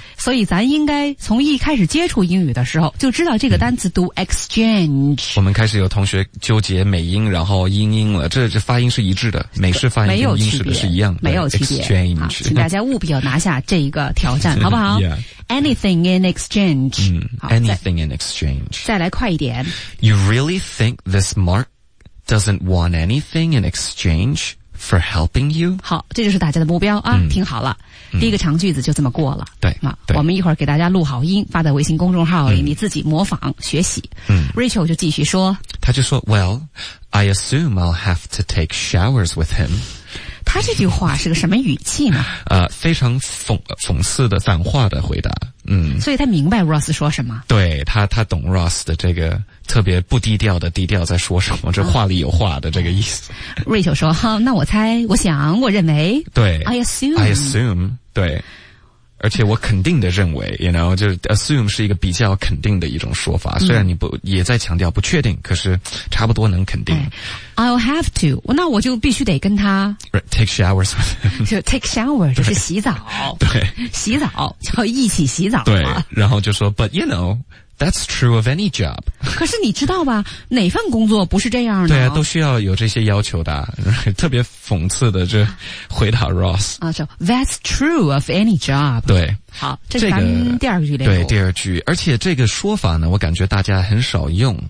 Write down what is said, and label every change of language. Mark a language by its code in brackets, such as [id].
[zh] 所以咱应该从一开始接触英语的时候就知道这个单词读 exchange。我们开始有同学纠结美音然后英音了，这发音是一致的，美式发音跟英式的是一样的，没有区别。 [en] exchange。 [zh] 请大家务必要拿下这一个挑战好不好、 [en] yeah. ?Anything in exchange.、 Anything in exchange. [zh] 再来快一点。 [en] You really think this mark doesn't want anything in exchange for helping you. [zh] 好，这就是大家的目标啊！听好了，第一个长句子就这么过了。对，啊，我们一会儿给大家录好音，发在微信公众号里，你自己模仿学习。 Rachel 就继续说，他就说 [en] ，Well, I assume I'll have to take showers with him。 [zh] 他这句话是个什么语气呢？非常讽刺的反话的回答。所以他明白 Ross 说什么。对，他懂 Ross 的这个特别不低调的低调在说什么，这话里有话的这个意思。 Rachel 说，那我猜，我认为。对。 [en] I assume, [zh] 对。而且我肯定的认为 ,you know, 就是 assume 是一个比较肯定的一种说法，虽然你不也在强调不确定，可是差不多能肯定。 [en] Okay. I'll have to, [zh] 那我就必须得跟他。 [en] Right, take showers. [zh] 就 take shower, 就是洗澡。对。洗澡就一起洗澡。对。然后就说 [en] but you know,That's true of any job. [zh] 可是你知道吧，哪份工作不是这样的？对啊，都需要有这些要求的。特别讽刺的这回答 Ross。 [en] 啊，说 That's true of any job. [zh] 对。好，这是咱们第二句连读。对，第二句。而且这个说法呢，我感觉大家很少用。